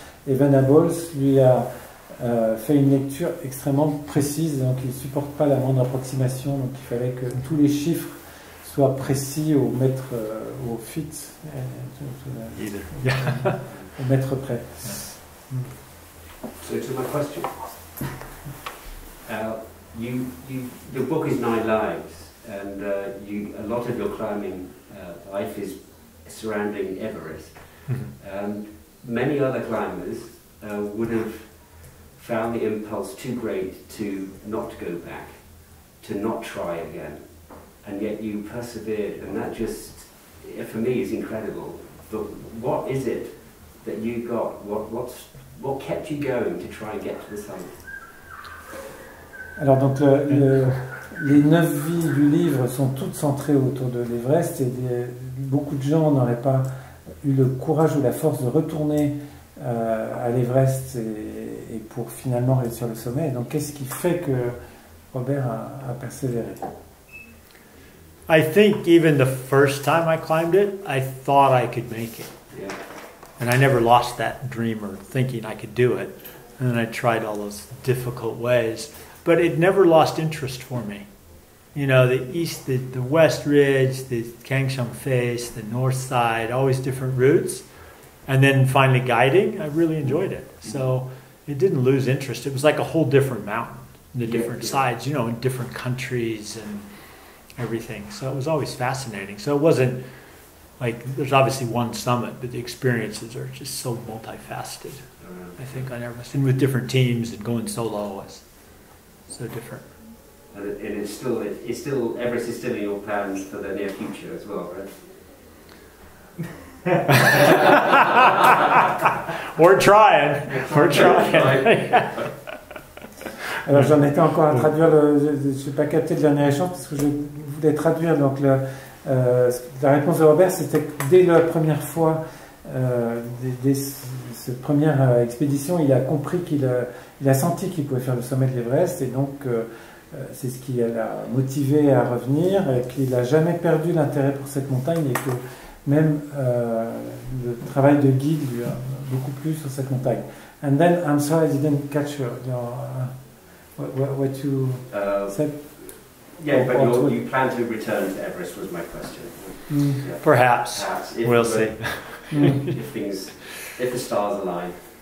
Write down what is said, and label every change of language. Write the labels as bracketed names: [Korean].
[French] Et Venables lui a fait une lecture extrêmement précise, donc il ne supporte pas la moindre approximation, donc il fallait que tous les chiffres soient précis au mètre, au feet, au mètre près. [English] So to my question, your book is nine lives, and a lot of your climbing life is surrounding Everest. And many other climbers would have found the impulse too great to not go back, to not try again, and yet you persevered, and that just for me is incredible. But what is it that you got? What kept you going to try and get to the summit? [French] Alors donc les neuf vies du livre sont toutes centrées autour de l'Everest, et beaucoup de gens n'auraient pas eu le courage ou la force de retourner à l'Everest et pour finalement réussir le sommet. Donc qu'est-ce qui fait que Robert a persévéré? [English] I think even the first time I climbed it, I thought I could make it. Yeah. And I never lost that dream or thinking I could do it. And then I tried all those difficult ways. But it never lost interest for me. You know, the east, the west ridge, the Kangshan face, the north side, always different routes. And then finally guiding, I really enjoyed it. So it didn't lose interest. It was like a whole different mountain, the different sides, you know, in different countries and everything. So it was always fascinating. So it wasn't like, there's obviously one summit, but the experiences are just so multifaceted, I think, on Everest. And with different teams and going solo was so different. And it's still Everest is still in your plans for the near future as well, right? We're trying. [French] Alors j'en étais encore à traduire, je n'ai pas capté le dernier échange parce que je voulais traduire. Donc la réponse de Robert, c'était que dès la première fois, dès cette première expédition, il a compris il a senti qu'il pouvait faire le sommet de l'Everest, et donc c'est ce qui l'a motivé à revenir, et qu'il n'a jamais perdu l'intérêt pour cette montagne, et que même le travail de guide lui a beaucoup plu sur cette montagne. [English] And then, I'm sorry, I didn't catch her. What you said? You plan to return to Everest was my question. Mm. Yeah. Perhaps. We'll see. if the stars align.